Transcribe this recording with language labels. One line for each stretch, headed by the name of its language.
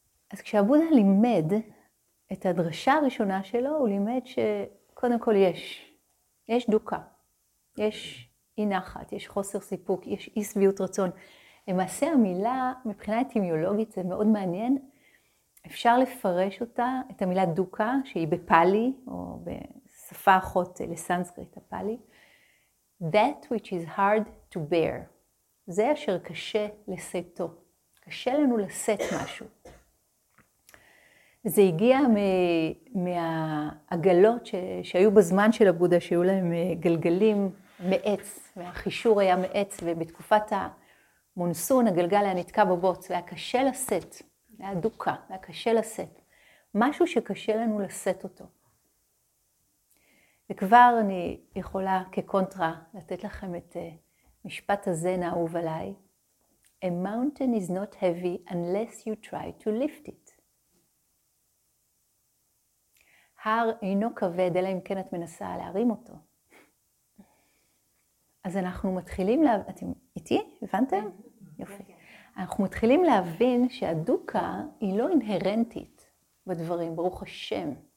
Hebrew: אז כשהבודה לימד את הדרשה הראשונה שלו, הוא לימד שקודם כל יש דוקה, יש אי נחת, יש חוסר סיפוק, יש אי סביות רצון. למעשה המילה, מבחינה אטימולוגית, זה מאוד מעניין. אפשר לפרש אותה, את המילה דוקה, שהיא בפאלי, או בשפה אחות לסנסקריט הפאלי.
English: That which is hard to bear.
Hebrew: זה אשר קשה לשאתו. קשה לנו לשאת משהו. זה הגיע מהעגלות שהיו בזמן של הבודה, שהיו להם גלגלים מעץ, והחישור היה מעץ, ובתקופת ה... מונסון, הגלגל היה נתקע בבוץ, והיה קשה לשאת, היה דוקה, והיה קשה לשאת. משהו שקשה לנו לשאת אותו. וכבר אני יכולה כקונטרה לתת לכם את משפט הזן האהוב עליי.
English: A mountain is not heavy unless you try to lift it.
Hebrew: הר אינו כבד, אלא אם כן את מנסה להרים אותו. אז אנחנו מתחילים, אתם איתי? הבנתם? יופי. אנחנו מתחילים להבין שהדוקה היא לא אינהרנטית בדברים, ברוך השם.